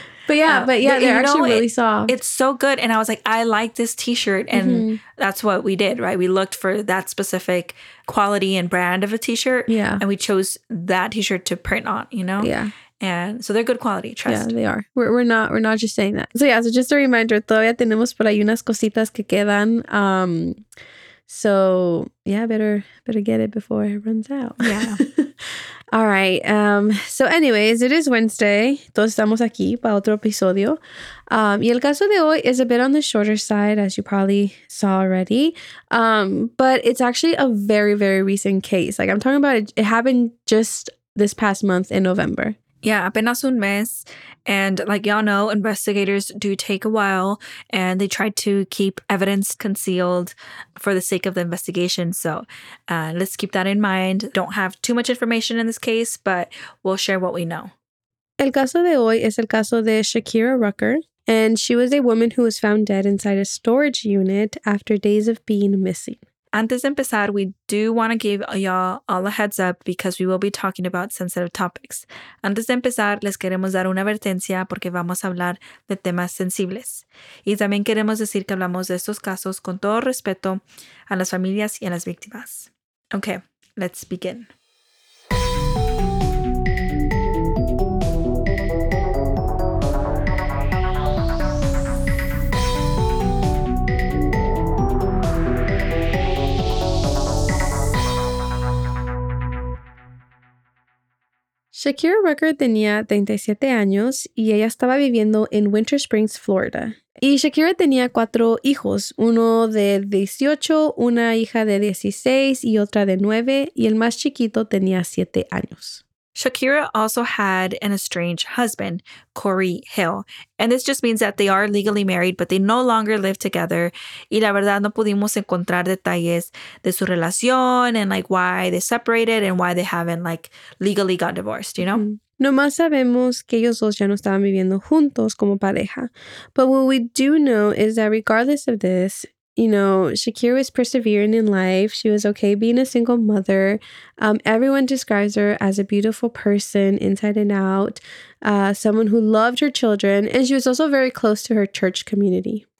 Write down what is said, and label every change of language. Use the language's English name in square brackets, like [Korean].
[English] But they're actually really soft. It's so good. And I was like, I like this t-shirt. And mm-hmm. that's what we did, right? We looked for that specific quality and brand of a t-shirt. Yeah. And we chose that t-shirt to print on, you know? Yeah. And so they're good quality, trust. Yeah, they are. We're not just saying that. So yeah, so just a reminder, [Spanish] todavía tenemos por ahí unas cositas que quedan. [English] So yeah, better get it before it runs out. Yeah. All right. So anyways, it is Wednesday. [Spanish] Todos estamos aquí para otro episodio. Y el caso de hoy [English] is a bit on the shorter side, as you probably saw already. But it's actually a very, very recent case. Like I'm talking about it happened just this past month in November. [Spanish] Yeah, apenas un mes. [English] And like y'all know, investigators do take a while and they try to keep evidence concealed for the sake of the investigation. So let's keep that in mind. Don't have too much information in this case, but we'll share what we know. [Spanish] El caso de hoy es el caso de Shakira Rucker. [English] And she was a woman who was found dead inside a storage unit after days of being missing. [Spanish] Antes de empezar, [English] we do want to give y'all all a heads up because we will be talking about sensitive topics. [Spanish] Antes de empezar, les queremos dar una advertencia porque vamos a hablar de temas sensibles. Y también queremos decir que hablamos de estos casos con todo respeto a las familias y a las víctimas. [English] Okay, let's begin. Shh. [Spanish] Shakira Rucker tenía 37 años y ella estaba viviendo en Winter Springs, Florida. Y Shakira tenía 4 hijos, uno de 18, una hija de 16 y otra de 9, y el más chiquito tenía 7 años. [English] Shakira also had an estranged husband, Corey Hill. And this just means that they are legally married, but they no longer live together. [Spanish] Y la verdad, no pudimos encontrar detalles de su relación [English] and like why they separated and why they haven't like legally got divorced, you know? [Spanish] Nomás sabemos que ellos dos ya no estaban viviendo juntos como pareja. [English] But what we do know is that regardless of this, you know, Shakira was persevering in life. She was okay being a single mother. Everyone describes her as a beautiful person inside and out, someone who loved her children. And she was also very close to her church community.